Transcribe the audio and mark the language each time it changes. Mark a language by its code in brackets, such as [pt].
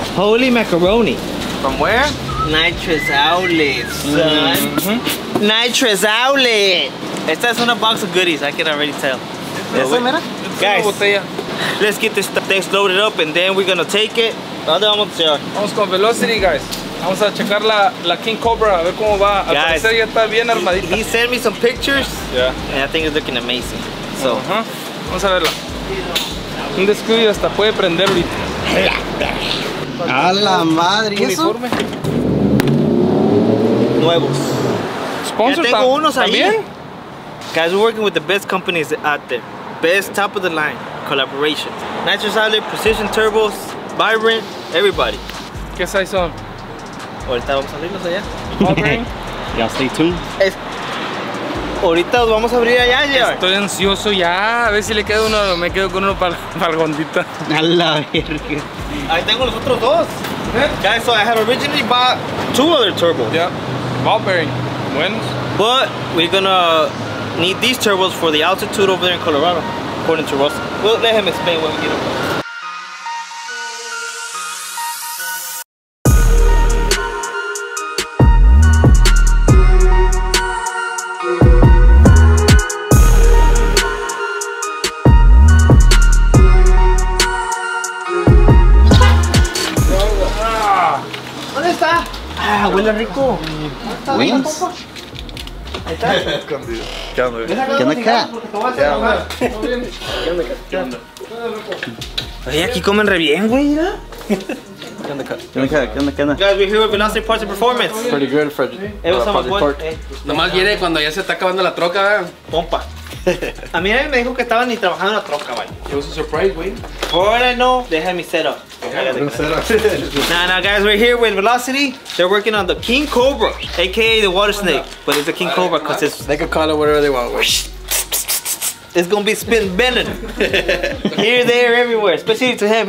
[en] Holy macaroni. From where? Nitrous Outlet, son. Mm-hmm. Nitrous Outlet. [es] Esta es una [en] box of goodies, I can already tell. [es] Eso, mira. [en] Guys, let's get this thing loaded up and then we're gonna take it. [es] ¿Dónde vamos a llegar? Vamos con velocity, guys. Vamos a checar la King Cobra, a ver cómo va. Al parecer ya está bien armadita. [en] He sent me some pictures. Yeah. And I think it's looking amazing. So, [es] Vamos a verla. Un descuido hasta puede prenderlo. Y... A la madre, ¿y eso? Nuevos. [en] Sponsor, [es] ya tengo unos también. [en] Guys, we're working with the best companies out there. Best top of the line collaboration. Nitrous Outlet, Precision Turbos, Vibrant, everybody. [es] ¿Qué size son? Ahorita vamos a abrirlos allá. [en] Vibrant. Y'all stay tuned. [es] Ahorita los vamos a abrir allá, ya. Estoy ansioso ya. A ver si le queda uno. Me quedo con uno para el gondita. A la verga. Ahí tengo los otros dos. Okay. [en] Guys, so I had originally bought two other turbos. Yeah. Ball bearing. Buenos. But we're gonna need these turbos for the altitude over there in Colorado, according to Russ. We'll let him explain when we get them. [es] Hey, aquí comen re bien, güey. [en] Guys, we're here with Freddylsx Parts and Performance. Pretty good, Fred. Hey, what's up, my boy? Hey. [es] Nomás viene cuando ya se está acabando la troca, pompa. A mí me dijo que estaban ni trabajando la troca, vaya. [en] It was a surprise, güey. Before I know, they had me set up. Now, guys, we're here with Velocity. They're working on the King Cobra, aka the water snake. But it's a King Cobra because it's. They can call it whatever they want. It's gonna be spin bending. Here, there, everywhere. Especially to him.